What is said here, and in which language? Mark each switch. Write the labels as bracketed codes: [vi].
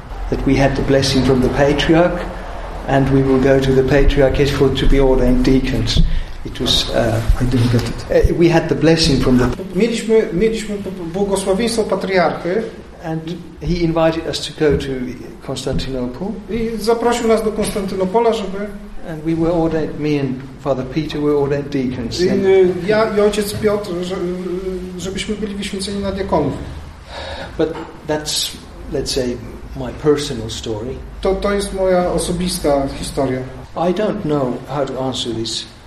[en] That we had the blessing from the patriarch, and we will go to the patriarchate for to be ordained deacons. It was. I didn't get it. We had the blessing from the. [pl] Mieliśmy błogosławieństwo patriarchy. [en] And he invited us to go to Constantinople. [pl] I zaprosił nas do Konstantynopola, żeby. [en] And we were ordained. Me and Father Peter were ordained deacons. [pl] Ja i ojciec Piotr, żebyśmy byli wyświęceni na diakonów. [en] But that's, let's say, my personal story. [pl] To jest moja osobista historia. [en] I don't know how to answer this.